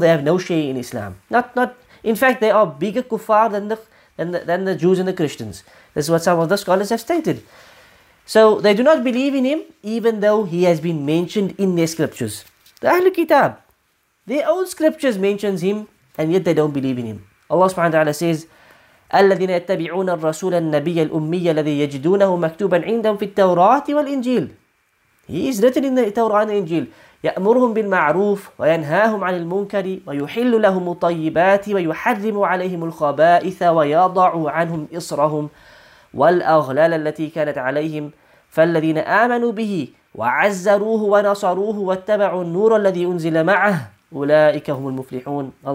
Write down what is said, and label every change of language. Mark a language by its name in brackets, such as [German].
[English] They have no share in Islam. Not. In fact, they are bigger kuffar than the Jews and the Christians. This is what some of the scholars have stated. So they do not believe in him, even though he has been mentioned in their scriptures. The Ahlul Kitab, their own scriptures mentions him, and yet they don't believe in him. Allah subhanahu wa ta'ala says, [Arabic] الذين يتبعون الرسول النبي الأمي الذي يجدونه مكتوبا عندهم في التوراة والإنجيل. [English] He is written in the Torah and the Injil. [Arabic] يَأْمُرْهُمْ بِالْمَعْرُوفِ وَيَنْهَاهُمْ عَنِ الْمُنْكَرِ وَيُحِلُّ لَهُمُ الطَّيِّبَاتِ وَيُحَرِّمُ عَلَيْهِمُ الْخَبَائِثَ وَيَضَعُ عَنْهُمْ إِصْرَهُمْ وَالْأَغْلَالَ الَّتِي كَانَتْ عَلَيْهِمْ فَالَّذِينَ آمَنُوا بِهِ وَعَزَّرُوهُ وَنَصَرُوهُ وَاتَّبَعُوا النُّورَ الَّذِي أُنْزِلَ مَعَهُ أُولَئِكَ هُمُ الْمُفْلِحُونَ.